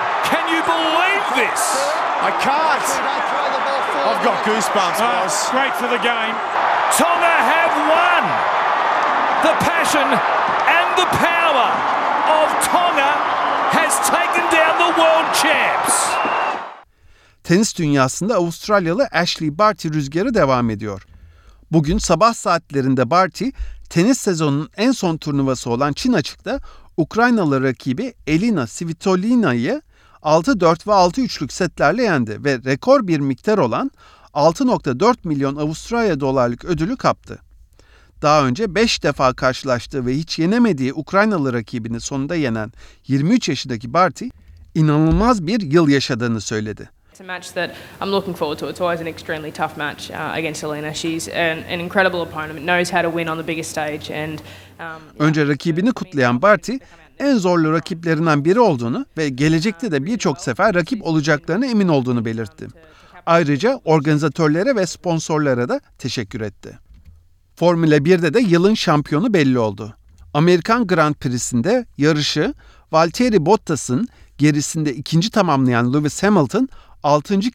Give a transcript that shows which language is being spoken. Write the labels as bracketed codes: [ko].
[en] Can you believe this? I can't. I've got goosebumps, guys. Great for the game. Tonga have won. The passion and the power of Tonga has taken down the world champs. [tr] Tenis dünyasında Avustralyalı Ashley Barty rüzgarı devam ediyor. Bugün sabah saatlerinde Barty, tenis sezonunun en son turnuvası olan Çin Açık'ta Ukraynalı rakibi Elina Svitolina'yı 6-4 ve 6-3'lük setlerle yendi ve rekor bir miktar olan 6.4 milyon Avustralya dolarlık ödülü kaptı. Daha önce 5 defa karşılaştığı ve hiç yenemediği Ukraynalı rakibini sonunda yenen 23 yaşındaki Barty, inanılmaz bir yıl yaşadığını söyledi. [en] It's a match that I'm looking forward to. It's always an extremely tough match against Elena. She's an incredible opponent. Knows how to win on the biggest stage. And [tr] önce rakibini kutlayan Barty, en zorlu rakiplerinden biri olduğunu ve gelecekte de birçok sefer rakip olacaklarına emin olduğunu belirtti. Ayrıca organizatörlere ve sponsorlara da teşekkür etti. Formula 1'de de yılın şampiyonu belli oldu. Amerikan Grand Prix'sinde yarışı Valtteri Bottas'ın gerisinde ikinci tamamlayan Lewis Hamilton 6.